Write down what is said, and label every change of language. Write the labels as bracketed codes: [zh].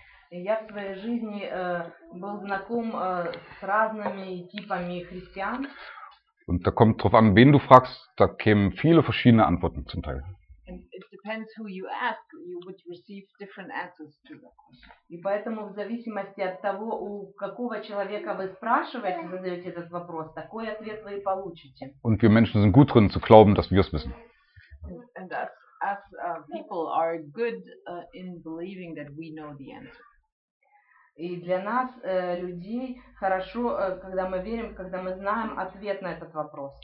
[ru] Я в своей жизни был знаком с разными типами христиан. [de] Und da kommt drauf an, wen du fragst, da kämen viele verschiedene Antworten zum Teil. [en] And it depends who you ask, you would receive different answers to that question. [ru] И поэтому в зависимости от того, у какого человека вы спрашиваете, задаете этот вопрос, такой ответ вы и получите. [de] Und wir Menschen sind gut drin zu glauben, dass wir es wissen. [en] And us people are good in believing that we know the answer. [ru] И для нас людей хорошо, когда мы верим, когда мы знаем ответ на этот вопрос.